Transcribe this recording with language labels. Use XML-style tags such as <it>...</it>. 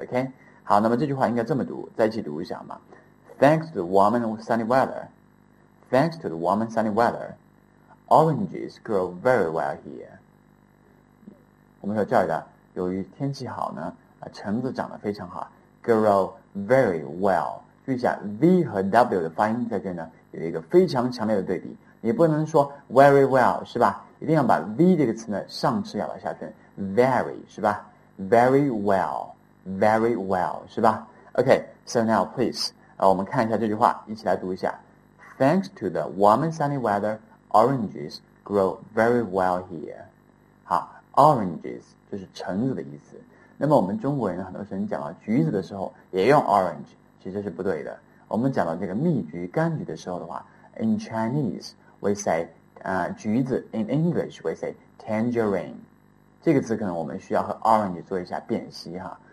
<zh>OK， 好，那么这句话应该这么读，再去读一下嘛。</zh> <en>Thanks to the warm and sunny weather， thanks to the warm and sunny weather， oranges grow very well here。</en> <zh>我们说这儿的，由于天气好呢，橙子长得非常好 ，</zh> <en>grow very well。</en> <zh>注意一下 v 和 w 的发音在这呢。有一个非常强烈的对比，你不能说 very well 是吧？一定要把 v 这个词呢上齿咬到下唇 ，very 是吧 ？</zh> <en>very well，very well</en> <zh>是吧 ？</zh> <en>OK，so、okay, now please，</en> <zh>我们看一下这句话，一起来读一下。</zh> <en>Thanks to the warm and sunny weather, oranges grow very well here。</en> <zh>好 ，oranges 就是橙子的意思。那么我们中国人很多时候讲到橘子的时候也用 orange， 其实是不对的。我们讲到这个蜜橘、柑橘的时候的话 ，</zh> <en>in Chinese we say</en> <zh>橘子 ，</zh> <en>in English we say tangerine。</en> <zh>这个词可能我们需要和 orange 做一下辨析哈。</zh>